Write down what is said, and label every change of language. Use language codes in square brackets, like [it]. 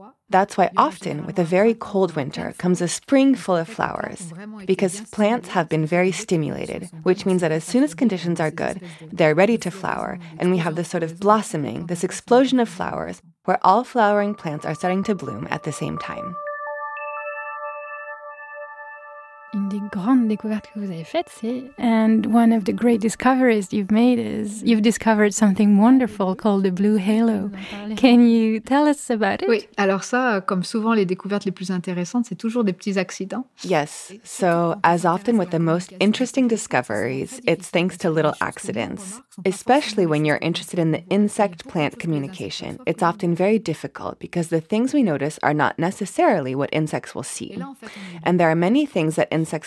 [en] That's why often, with a very cold winter, comes a spring full of flowers, because plants have been very stimulated, which means that as soon as conditions are good, they're ready to flower, and we have this sort of blossoming, this explosion of flowers, where all flowering plants are starting to bloom at the same time. And one of the great discoveries you've made is you've discovered something wonderful called the blue halo. Can you tell us about it? [fr] Oui, alors ça, comme souvent les découvertes les plus intéressantes, c'est toujours des petits accidents. [en] Yes, so as often with the most interesting discoveries, it's thanks to little accidents. Especially when you're interested in the insect-plant communication, it's often very difficult because the things we notice are not necessarily what insects will see. And there are many things that insects